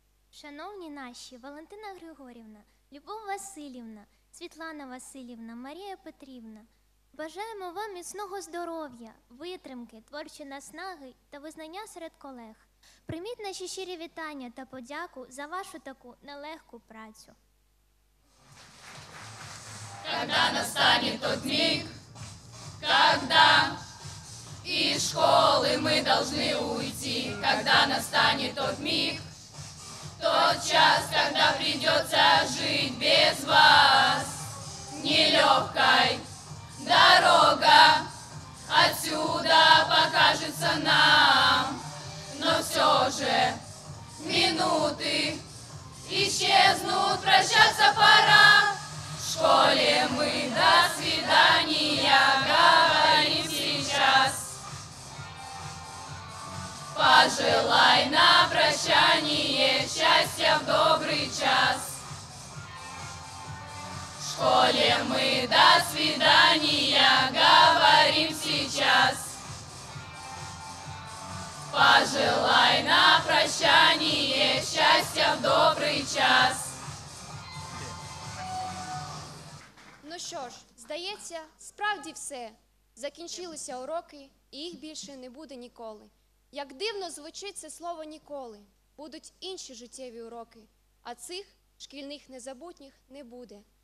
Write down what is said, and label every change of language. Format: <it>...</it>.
<uk>Шановні наші, Валентина Григорівна, Любов Васильівна, Світлана Васильівна, Марія Петрівна, бажаємо вам міцного здоров'я, витримки, творчої наснаги та визнання серед колег. Прийміть наші щирі вітання та подяку за вашу таку нелегку працю.</uk> <ru>Когда настанет тот миг, когда из школы мы должны уйти, когда настанет тот миг, тот час, когда придется жить без вас, нелегкой дорога отсюда покажется нам, но все же минуты исчезнут, прощаться пора. В школе мы до свидания говорим сейчас. Пожелай на прощание счастья в добрый час. В школе мы до свидания говорим сейчас. Пожелай на прощание счастья в добрый час.</ru> <uk>Ну що ж, здається, справді все. Закінчилися уроки, і їх більше не буде ніколи. Як дивно звучить це слово «ніколи». Будуть інші життєві уроки, а цих, шкільних незабутніх, не буде.</uk>